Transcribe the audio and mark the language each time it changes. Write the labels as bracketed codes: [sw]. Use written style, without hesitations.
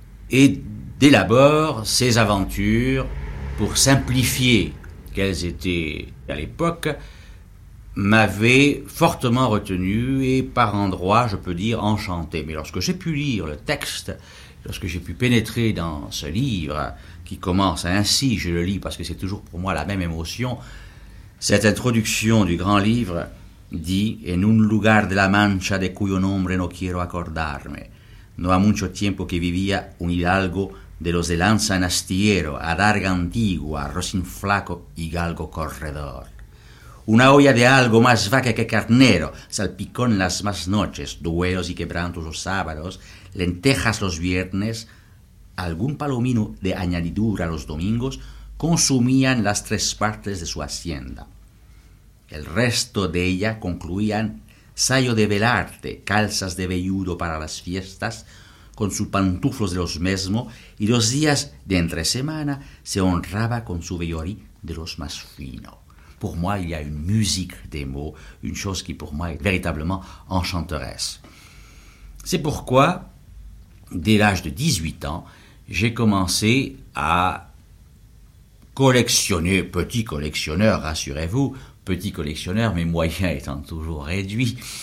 [fr] Et dès l'abord, ces aventures, pour simplifier qu'elles étaient à l'époque, m'avait fortement retenu et par endroits, je peux dire, enchanté. Mais lorsque j'ai pu lire le texte, lorsque j'ai pu pénétrer dans ce livre qui commence ainsi, je le lis parce que c'est toujours pour moi la même émotion, cette introduction du grand livre dit [es] « En un lugar de la Mancha de cuyo nombre no quiero acordarme ». No ha mucho tiempo que vivía un hidalgo de los de lanza en astillero, adarga antigua, rocín flaco y galgo corredor. Una olla de algo más vaca que carnero, salpicón las más noches, duelos y quebrantos los sábados, lentejas los viernes, algún palomino de añadidura los domingos, consumían las tres partes de su hacienda. El resto de ella concluían sayo de velarte, calzas de velludo para las fiestas, con sus pantuflos de los mesmos, y los días de entre semana se honraba con su vellorí de los más finos. [fr] Pour moi, il y a une musique des mots, une chose qui pour moi est véritablement enchanteresse. C'est pourquoi, dès l'âge de 18 ans, j'ai commencé à collectionner, petit collectionneur, rassurez-vous, petit collectionneur, mes moyens étant toujours réduits,